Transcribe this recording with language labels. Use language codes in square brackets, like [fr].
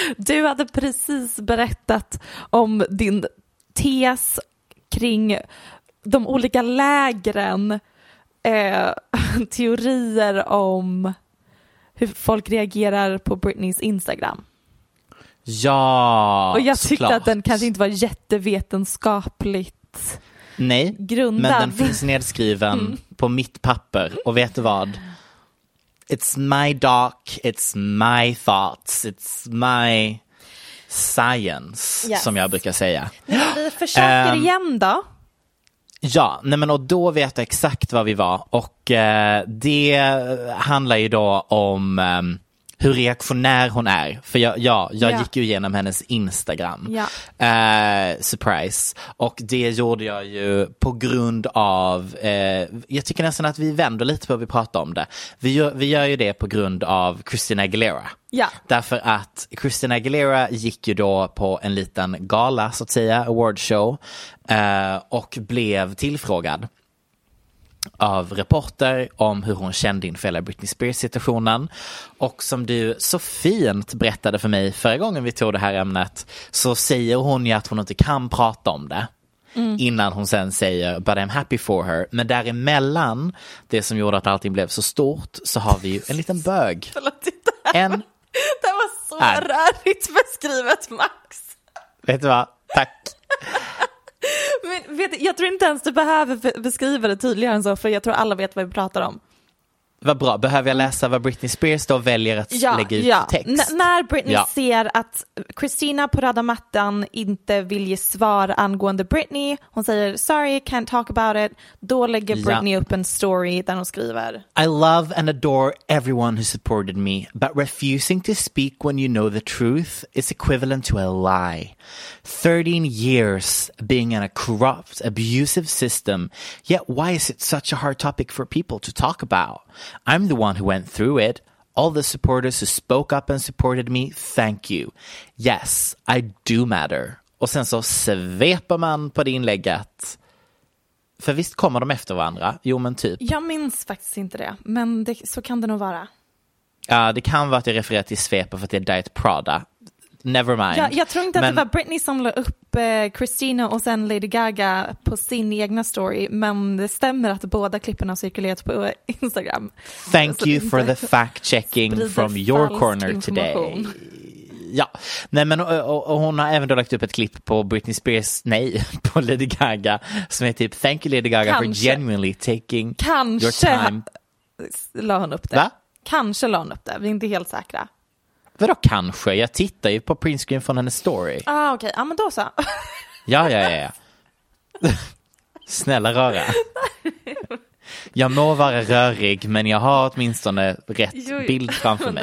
[sv] Du hade precis berättat om din tes kring de olika lägren, teorier om... hur folk reagerar på Britneys Instagram. Ja, och jag tyckte såklart att den kanske inte var jättevetenskapligt grundad. Men den finns nedskriven på mitt papper. Och vet du vad? [en] It's my dark, it's my thoughts, it's my science, [sv] som jag brukar säga. Men vi försöker igen då. Ja, nej men och då vet jag exakt vad vi var. Och det handlar ju då om hur reaktionär hon är. För jag gick ju igenom hennes Instagram. Ja. [en] Surprise. [sv] Och det gjorde jag ju på grund av... jag tycker nästan att vi vänder lite på vad vi pratar om det. Vi gör ju det på grund av Christina Aguilera. Ja. Därför att Christina Aguilera gick ju då på en liten gala, så att säga, awardshow. Och blev tillfrågad av reporter om hur hon kände inför hela Britney Spears-situationen. Och som du så fint berättade för mig förra gången vi tog det här ämnet, så säger hon ju att hon inte kan prata om det. Mm. Innan hon sen säger [en] but I'm happy for her. [sv] Men däremellan, det som gjorde att allting blev så stort, så har vi ju en liten bög. Förlåt, det var så rörigt beskrivet, Max. Vet du vad? Tack. Men vet, jag tror inte ens du behöver beskriva det tydligare än så, för jag tror alla vet vad vi pratar om. Vad bra, behöver jag läsa vad Britney Spears då väljer att lägga ut text? När Britney ser att Christina på röda mattan inte vill ge svar angående Britney, hon säger [en] sorry, can't talk about it, [sv] då lägger Britney upp en story där hon skriver [en] I love and adore everyone who supported me, but refusing to speak when you know the truth is equivalent to a lie. 13 years being in a corrupt, abusive system, yet why is it such a hard topic for people to talk about? I'm the one who went through it. All the supporters who spoke up and supported me, thank you. Yes, I do matter. [sv] Och sen så sveper man på det inlägget. För visst kommer de efter varandra? Jo, men typ. Jag minns faktiskt inte det, men det, så kan det nog vara. Ja, det kan vara att jag refererar till svepa för att det är Diet Prada. [en] Never mind. [sv] Jag tror inte att det var Britney som la upp Christina och sen Lady Gaga på sin egna story, men det stämmer att båda klippen har cirkulerat på Instagram. [en] Thank you for the fact checking from your corner today. [sv] Ja, nej, men och hon har även då lagt upp ett klipp på Britney Spears, nej, på Lady Gaga, som är typ [en] thank you Lady Gaga [sv] kanske, [en] for genuinely taking your time. [sv] La hon upp det. Va? Kanske la hon upp det, vi är inte helt säkra. Vadå kanske? Jag tittar ju på printscreen från hennes story. Ah, okej. Okay. Ja, men då så. Ja. Snälla röra. Jag må vara rörig, men jag har åtminstone rätt bild framför mig.